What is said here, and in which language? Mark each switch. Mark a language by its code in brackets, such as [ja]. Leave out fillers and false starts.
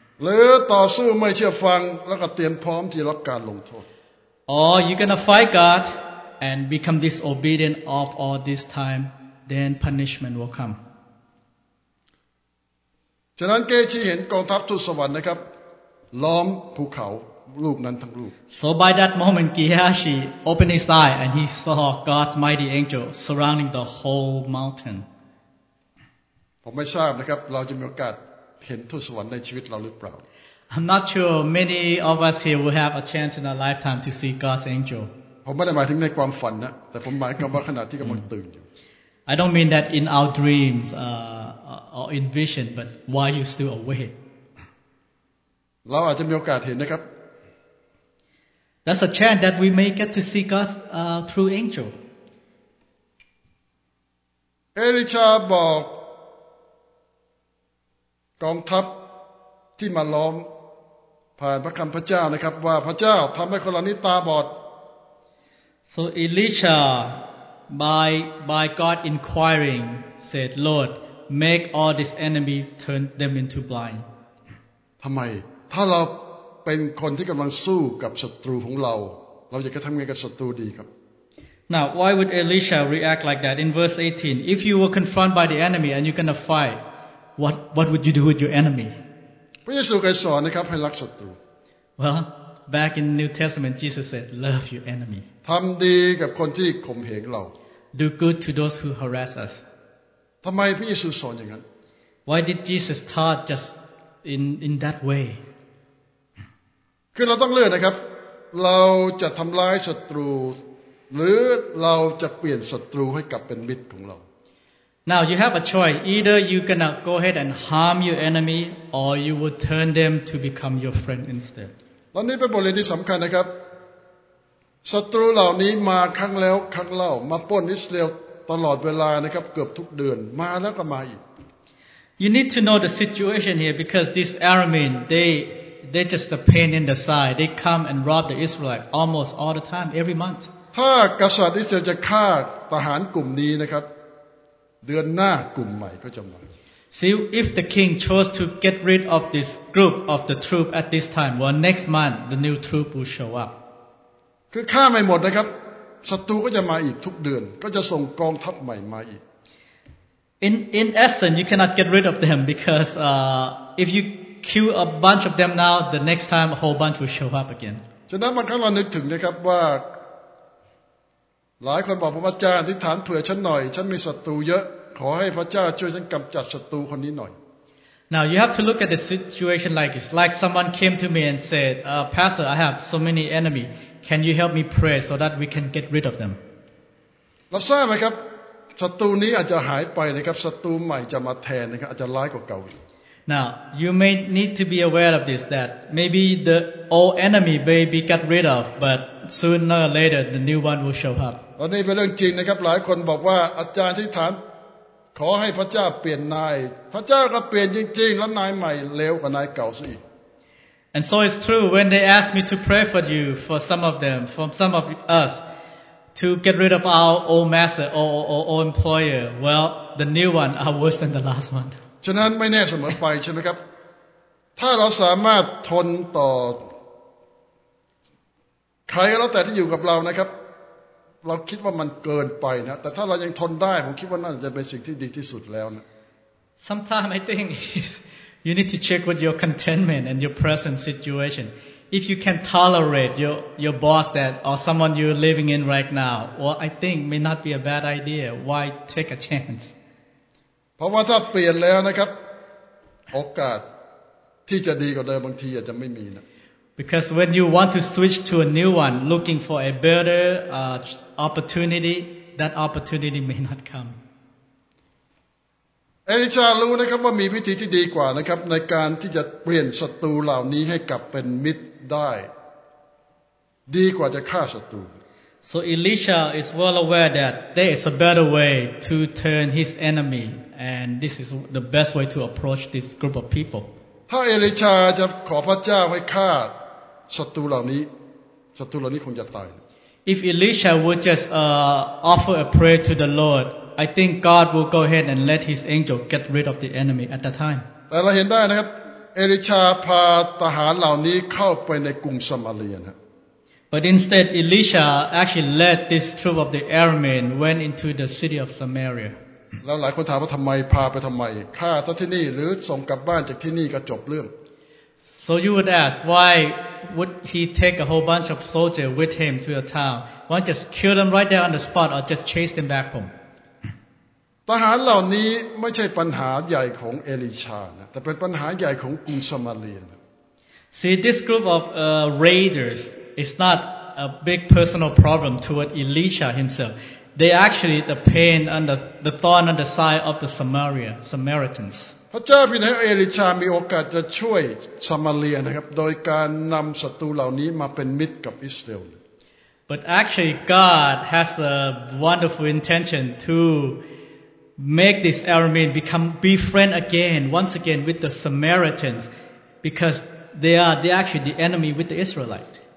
[th] หรือต่อสู้ไม่เชื่อฟังแล้วก็เตรียมพร้อมที่รับการลงโทษ [en] Or you're gonna fight God and become disobedient of all this time, then punishment will come. [th] ฉะนั้นเกชีเห็นกองทัพทูตสวรรค์นะครับล้อมภูเขารูปนั้นทั้งรูป [en] So by that moment Gehazi opened his eyes and he saw God's mighty angel surrounding the whole mountain [th] ผมไม่ทราบนะครับเราจะมีโอกาสเห็นทูตสวรรค์ในชีวิตเราหรือเปล่า [en] I'm not sure many of us here will have a chance in our lifetime to see God's angel [th] ผมไม่ได้หมายถึงในความฝันนะแต่ผมหมายความว่าขณะที่กำลังตื่นอยู่ [en] I don't mean that in our dreams or in vision, but why you still awake? [th] เราอาจจะมีโอกาสเห็นนะครับ [en] That's a chance that we may get to see God through angel. [th] เอลิชาบอกกองทัพที่มาล้อมผ่านพระคำพระเจ้านะครับว่าพระเจ้าทำให้คนเหล่านี้ตาบอด [en] So Elisha, by God inquiring, said, Lord. Make all this enemy turn them into blind. [th] ทำไมถ้าเราเป็นคนที่กำลังสู้กับศัตรูของเราเราจะกระทำไงกับศัตรูดีครับ [en] Now why would Elisha react like that in verse 18? If you were confronted by the enemy and you're gonna fight, what would you do with your enemy? [th] พระเยซูเคยสอนนะครับให้รักศัตรู [en] Well, back in New Testament, Jesus said, "Love your enemy." [th] ทำดีกับคนที่ข่มเหงเรา [en] Do good to those who harass us. [th] ทำไมพระเยซูสอนอย่างนั้น [en] Why did Jesus taught just in that way? [th] คือเราต้องเลือกนะครับเราจะทำร้ายศัตรูหรือเราจะเปลี่ยนศัตรูให้กลับเป็นมิตรของเรา [en] Now you have a choice. Either you gonna go ahead and harm your enemy or you will turn them to become your friend instead. [th] ตอนนี้เป็นบทเรียนที่สำคัญนะครับศัตรูเหล่านี้มาครั้งแล้วครั้งเล่ามาปล้นอิสราเอลตลอดเวลานะครับเกือบทุกเดือนมาแล้วก็มาอีก [en] You need to know the situation here because these Aramean they just a pain in the side they come and rob the Israelites almost all the time every month [th] ถ้ากษัตริย์อิสราเอลจะฆ่าทหารกลุ่มนี้นะครับเดือนหน้ากลุ่มใหม่ก็จะมา [en] See if the king chose to get rid of this group of the troop at this time well next month the new troop will show up [th] คือฆ่าไม่หมดนะครับศัตรูก็จะมาอีกทุกเดือนก็จะส่งกองทัพใหม่มาอีก [en] In essence you cannot get rid of them because if you kill a bunch of them now the next time a whole bunch will show up again [th] ฉะนั้นบางครั้งเรานึกถึงนะครับว่าหลายคนบอกพระอาจารย์อธิษฐานเผื่อฉันหน่อยฉันมีศัตรูเยอะขอให้พระเจ้าช่วยฉันกำจัดศัตรูคนนี้หน่อย [en] Now you have to look at the situation like it's like someone came to me and said pastor I have so many enemies. Can you help me pray so that we can get rid of them? [th] เราทราบไหมครับศัตรูนี้อาจจะหายไปนะครับศัตรูใหม่จะมาแทนนะครับอาจจะร้ายกว่าเก่า [en] Now you may need to be aware of this that maybe the old enemy may be got rid of but sooner or later the new one will show up. [th] ตอนนี้เป็นเรื่องจริงนะครับหลายคนบอกว่าอาจารย์ที่ฐานขอให้พระเจ้าเปลี่ยนนายพระเจ้าก็เปลี่ยนจริงๆแล้วนายใหม่เลวกว่านายเก่าซะอีก [en] And so it's true when they asked me to pray for you, for some of them, for some of us, to get rid of our old master or old employer. Well, the new one are worse than the last one. [th] ฉะนั้นไม่แน่เสมอไปใช่ไหมครับถ้าเราสามารถทนต่อใครก็แล้วแต่ที่อยู่กับเรานะครับเราคิดว่ามันเกินไปนะแต่ถ้าเรายังทนได้ผมคิดว่าน่าจะเป็นสิ่งที่ดีที่สุดแล้วนะ [en] Sometimes I think is You need to check with your contentment and your present situation. If you can tolerate your boss that or someone you're living in right now, well, I think may not be a bad idea. Why take a chance? [th] เพราะว่าถ้าเปลี่ยนแล้วนะครับโอกาสที่จะดีกว่าเดิมบางทีอาจจะไม่มีนะ [en] Because when you want to switch to a new one, looking for a better opportunity, that opportunity may not come. [th] เอลิชารู้นะครับว่ามีวิธีที่ดีกว่านะครับในการที่จะเปลี่ยนศัตรูเหล่านี้ให้กลับเป็นมิตรได้ ดีกว่าจะฆ่าศัตรู [en] So Elisha is well aware that there is a better way to turn his enemy and this is the best way to approach this group of people [th] ถ้าเอลิชาจะขอพระเจ้าให้ฆ่าศัตรูเหล่านี้ศัตรูเหล่านี้คงจะตาย [en] If Elisha would just offer a prayer to the Lord I think God will go ahead and let his angel get rid of the enemy at that time [th] แต่เราเห็นได้นะครับเอลิชาพาทหารเหล่านี้เข้าไปในกรุงซามาเรียนะ [en] But instead Elisha actually led this troop of the Aramean went into the city of Samaria [th] แล้วหลายคนถามว่าทําไมพาไปทําไมฆ่าซะที่นี่หรือส่งกลับบ้านจากที่นี่ก็จบเรื่อง [en] So you would ask why would he take a whole bunch of soldiers with him to a town why just kill them right there on the spot or just chase them back home [th] ทหารเหล่านี้ไม่ใช่ปัญหาใหญ่ของเอลิชานะแต่เป็นปัญหาใหญ่ของกรุงซามาเรีย [en] See this group of raiders is not a big personal problem toward Elisha himself they actually the pain and the thorn on the side of the Samaritans [th] พระเจ้าให้เอลิชามีโอกาสจะช่วยซามาเรียนะครับโดยการนำศัตรูเหล่านี้มาเป็นมิตรกับอิสราเอล [en] But actually God has a wonderful intention toMake this Aramean become befriend again, once again with the Samaritans, because they are actually the enemy with the Israelite.